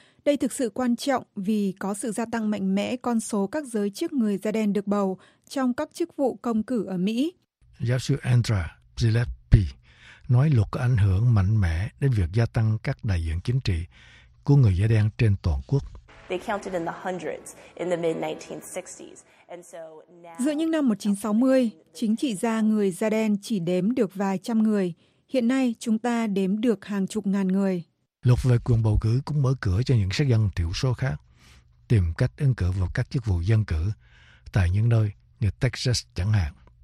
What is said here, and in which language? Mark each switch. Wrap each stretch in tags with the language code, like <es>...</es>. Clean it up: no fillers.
<vi>Đây thực sự quan trọng vì có sự gia tăng mạnh mẽ con số các giới chức người da đen được bầu trong các chức vụ công cử ở Mỹ. Giáo sư Andra Gillespie nói luật có ảnh hưởng mạnh mẽ đến việc gia tăng các đại diện chính trị của người da đen trên toàn quốc.</vi> <en>They counted in the hundreds in the mid-1960s. And so now,</en> <vi>giữa những năm 1960, chính trị gia người da đen chỉ đếm được vài trăm người. Hiện nay, chúng ta đếm được hàng chục ngàn người. Luật về quyền bầu cử cũng mở cửa cho những sắc dân thiểu số khác tìm cách ứng cử vào các chức vụ dân cử tại những nơi như Texas chẳng hạn.</vi>